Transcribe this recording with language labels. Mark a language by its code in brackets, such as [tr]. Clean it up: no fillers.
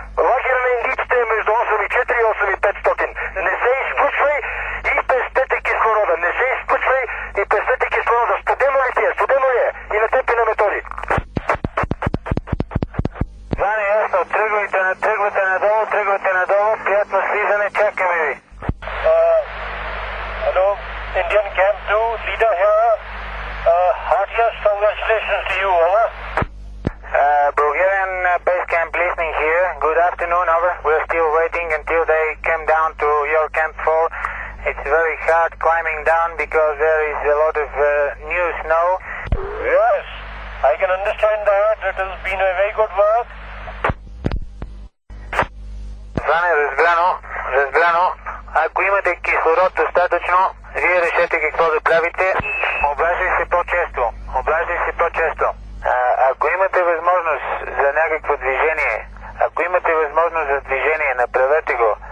[bg] Лагер на индиците е между 8400 и 8500. Не се изключвай и пестете кислорода. Не се изключвай и пестете кислорода. Студено ли ти е? Студено ли е? И не тепи на методи. Знание, ясно, тръгвайте, тръгвайте надолу, тръгвайте надолу, приятно слизане, чакаме ви. [en] Hello, Indian Camp 2, leader here. Heartiest congratulations to you, Bulgarian base camp listening here. Good afternoon, over. We're still waiting until they come down to your camp 4. It's very hard climbing down because there is a lot of new snow. Yes, I can understand that. It has been a very good work. [bg] Зане, разбрано, разбрано. Ако имате кислород достатъчно, вие решете какво да правите. Обаждай се по-често. Обаждай се по-често. Ако имате възможност за някакво движение, ако имате възможност за движение, направете го.